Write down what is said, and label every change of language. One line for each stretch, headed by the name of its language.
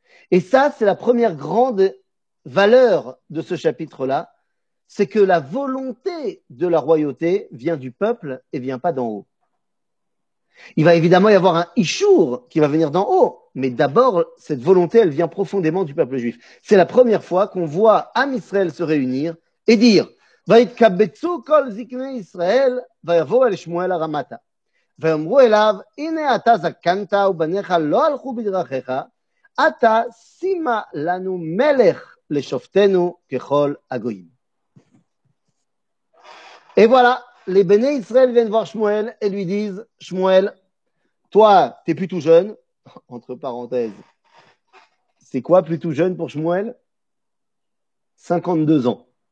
French: Et ça, c'est la première grande valeur de ce chapitre-là. C'est que la volonté de la royauté vient du peuple et vient pas d'en haut. Il va évidemment y avoir un ishour qui va venir d'en haut. Mais d'abord, cette volonté, elle vient profondément du peuple juif. C'est la première fois qu'on voit Am Israël se réunir et dire
Hebrew: « Vaitkabetsu kol zikne Israël » ויבואו אל שמואל הרמתה ואמרו אליו הנה אתה זקנת ובניך לא הלכו בדרכיך אתה שימה לנו מלך לשופטנו ככל הגויים.
French: Et voilà, les béné Israël viennent voir Shmuel et lui disent: Shmuel, toi t'es plutôt jeune, entre parenthèses, c'est quoi plutôt jeune pour Shmuel? 52 ans.